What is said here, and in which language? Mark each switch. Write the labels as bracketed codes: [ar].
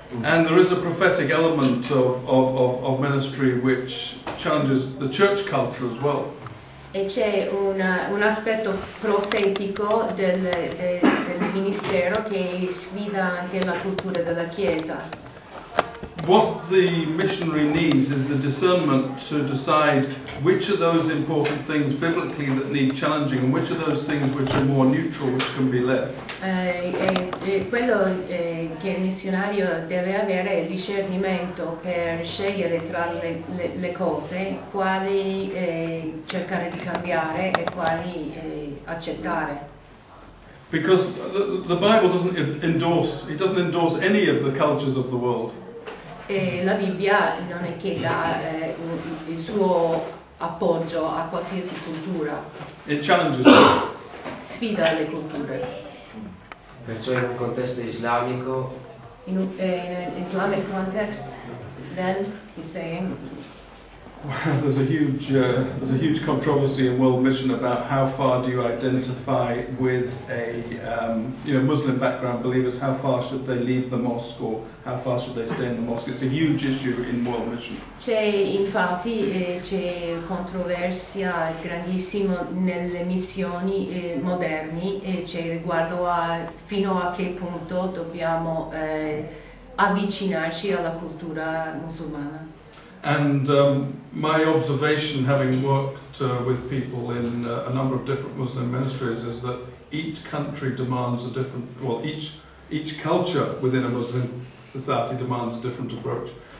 [en] And there is a prophetic element of ministry which challenges the church culture as well. [it] E c'è un aspetto profetico del ministero che sfida anche la cultura della Chiesa. [en] What the missionary needs is the discernment to decide which are those important things biblically that need challenging, and which are those things which are more neutral, which can be left. [it] Quello che il missionario deve avere è il discernimento per scegliere tra le cose quali cercare di cambiare e quali accettare. [en] Because the Bible doesn't endorse any of the cultures of the world. [it] La Bibbia non è che dà il suo appoggio a qualsiasi cultura. [en] It challenges. [it] Sfida le culture. Perciò in un contesto islamico. In un [en] Islamic context, then he's saying. There's a huge controversy in world mission about how far do you identify with a Muslim background believers, how far should they leave the mosque or how far should they stay in the mosque. It's a huge issue in world mission. [it] C'è infatti c'è controversia grandissima nelle missioni moderni e c'è riguardo a fino a che punto dobbiamo avvicinarci alla cultura musulmana. [en] And my observation, having worked with people in a number of different Muslim ministries, is that each country demands a different, well, each culture within a Muslim society demands a different approach.